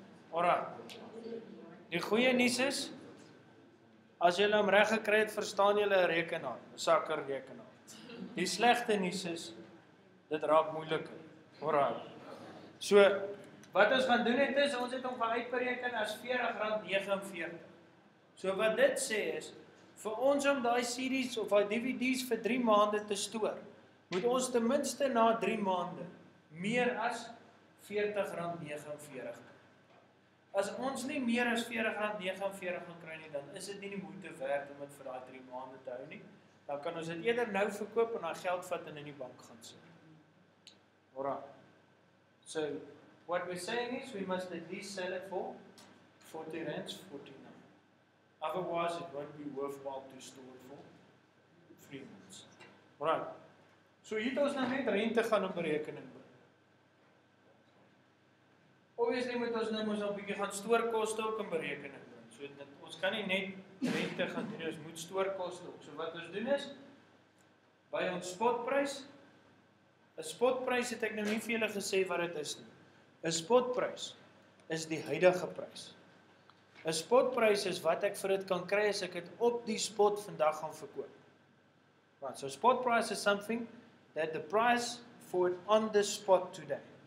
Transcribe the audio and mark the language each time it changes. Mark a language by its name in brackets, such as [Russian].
[Afrikaans] Ora, die goeie nuus is, as jy hom reg gekry het, verstaan jy 'n rekenaar, 'n sakkerrekenaar. Die slegte nuus is, dit raak moeiliker. Ora, so, wat ons gaan doen het is, ons het hom geuitbereken as R40.49. So wat dit sê is, vir ons om die CD's of die DVD's vir 3 maande te stoor, moet ons ten minste na 3 maande meer as R40.49 kry. As ons nie meer as R40.49 gaan kry nie, dan is dit nie die moeite werd om dit vir daai 3 maande te hou nie. Dan kan ons dit eerder nou verkoop en daai geld vat en in die bank gaan sit. Ora. [English] So, what we're saying is we must at least sell it for 40 rands, 49. Otherwise it won't be worthwhile to store it for 3 months. Ora. [Afrikaans] So hier het ons nou net rente gaan op rekening bring. Obviously moet ons nou mos al bietjie gaan stoorkoste ook in berekening bring. So dit, ons kan nie net rente gaan doen, ons moet stoorkoste ook. So wat ons doen is, by ons spotprys, 'n spotprys het ek nou nie vir julle gesê wat dit is nie. 'N Spotprys is die huidige prys. 'N Spotprys is wat ek vir dit kan kry as ek dit op die spot vandag gaan verkoop. [English] Right, so spot price is something that the price for it on the spot today.